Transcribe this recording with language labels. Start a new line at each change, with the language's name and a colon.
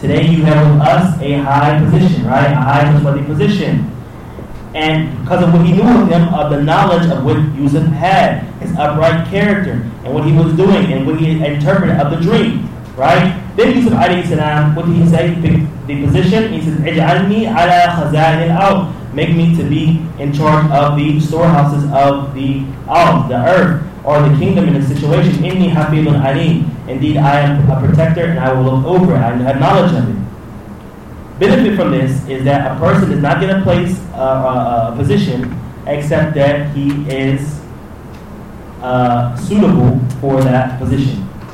English: Today you have with us a high position, right? A high trustworthy position. And because of what he knew of him, of the knowledge of what Yusuf had, his upright character, and what he was doing, and what he interpreted of the dream, right? Then Yusuf alayhi salam, what did he say? He picked the position. He says,
Arabic: اجعلني على خزائن الأرض.
English: Make me to be in charge of the storehouses of the earth, the earth, or the kingdom in a situation.
Arabic: إني حفيظ عليم.
English: Indeed, I am a protector and I will look over it. I have knowledge of it. Benefit from this is that a person is not going to place a position except that he is suitable for that position.